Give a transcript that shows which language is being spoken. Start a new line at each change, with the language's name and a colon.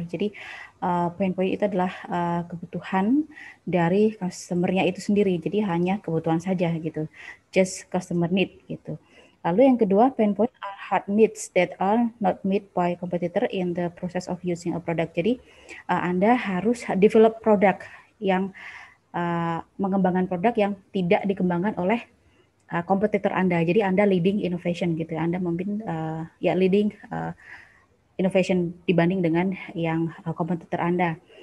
Indonesian: Jadi pain point itu adalah kebutuhan dari customer-nya itu sendiri. Jadi hanya kebutuhan saja gitu.
English: Just customer need
Indonesian: gitu. Lalu yang kedua,
English: pain point are hard needs that are not met by competitor in the process of using a product.
Indonesian: Jadi Anda harus develop product yang mengembangkan produk yang tidak dikembangkan oleh kompetitor Anda. Jadi Anda
English: leading innovation
Indonesian: gitu. Anda memimpin leading innovation dibanding dengan yang kompetitor Anda.